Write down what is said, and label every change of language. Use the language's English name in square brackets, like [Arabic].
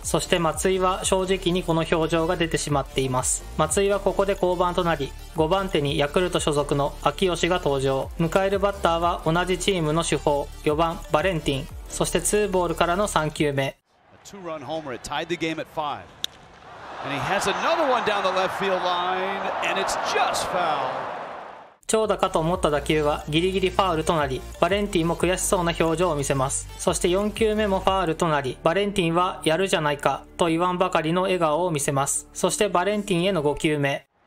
[Japanese] そして松井は正直にこの表情が出てしまっています。松井はここで降板となり、5番手にヤクルト所属の秋吉が登場。迎えるバッターは同じチームの主砲4番バレンティン。そして2ボールからの3球目。 [English] 2 ランホームラン、タイドゲームは5。 And he has another one down the left field line, and it's just foul. [Japanese] 長打かと思った打球はギリギリファウルとなり、バレンティンも悔しそうな表情を見せます。そして4球目もファウルとなり、バレンティンはやるじゃないかと言わんばかりの笑顔を見せます。そしてバレンティンへの5球目。